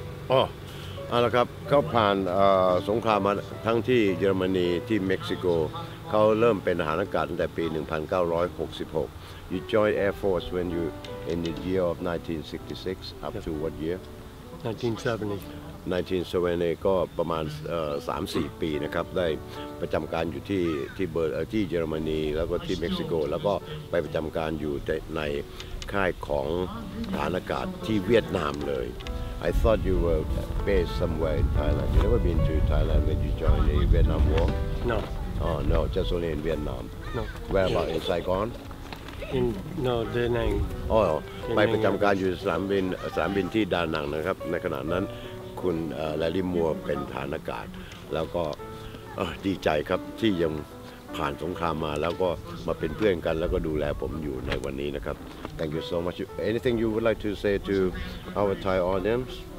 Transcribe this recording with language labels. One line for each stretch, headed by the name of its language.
English: Oh, that's right. He passed the war in Germany, in Mexico. He started to be a soldier since 1966. You joined Air Force when you... In the year of 1966, up to what year? 1970.
Thai: ก็ประมาณ 3-4 ปีนะครับได้ประจำการอยู่ที่เยอรมนีแล้วก็ที่เม็กซิโกแล้วก็ไปประจำการอยู่ในค่ายของฐานอากาศที่เวียดนามเลย
English: I thought you were based somewhere in Thailand. You never been to Thailand when you joined the Vietnam War? No. Oh no, just only in Vietnam. No. Where about in Saigon? In no Da Nang.
Thai: Oh, ไปประจำการอยู่สนามบินที่ดานังนะครับในขณะนั้นคุณแลรี่มัวร์เป็นฐานอากาศแล้วก็ดีใจครับที่ยังผ่านสงครามมาแล้วก็มาเป็นเพื่อนกันแล้วก็ดูแลผมอยู่ในวันนี้นะครับ
English: Thank you so much. Anything you would like to say to our Thai audience?